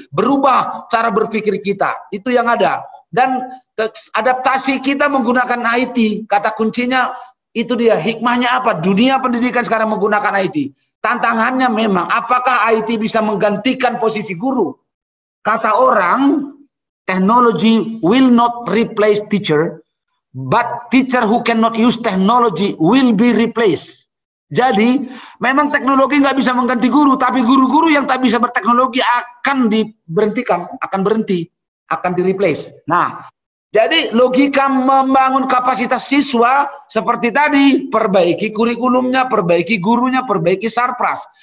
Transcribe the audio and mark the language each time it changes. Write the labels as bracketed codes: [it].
[id] Berubah cara berpikir kita, itu yang ada. Dan adaptasi kita menggunakan IT, kata kuncinya itu dia. Hikmahnya apa? Dunia pendidikan sekarang menggunakan IT. Tantangannya memang, apakah IT bisa menggantikan posisi guru? Kata orang, [en] technology will not replace teacher, but teacher who cannot use technology will be replaced. [id] Jadi memang teknologi nggak bisa mengganti guru, tapi guru-guru yang tak bisa berteknologi akan diberhentikan, akan berhenti, akan di replace. Nah, jadi logika membangun kapasitas siswa seperti tadi, perbaiki kurikulumnya, perbaiki gurunya, perbaiki sarpras.